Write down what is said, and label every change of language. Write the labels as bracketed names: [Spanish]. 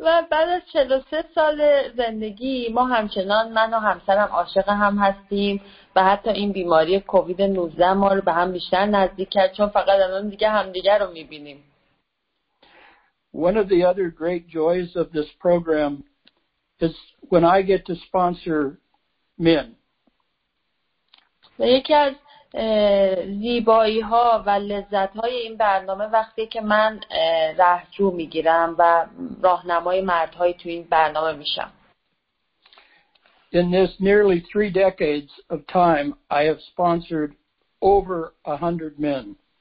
[Persian] بعد از 43 سال زندگی ما همچنان من و همسرم عاشق هم هستیم و حتی این بیماری کووید 19 ما رو به هم بیشتر نزدیک کرد چون فقط الان دیگه همدیگر رو میبینیم. [English] One of the other great joys of this program is when I get to sponsor men. [Persian] یکی از زیبایی ها و لذت های این برنامه وقتی که من راهجو میگیرم و راهنمای مردهای تو این برنامه میشم. [English] In this nearly three decades of time, I have sponsored over 100 men.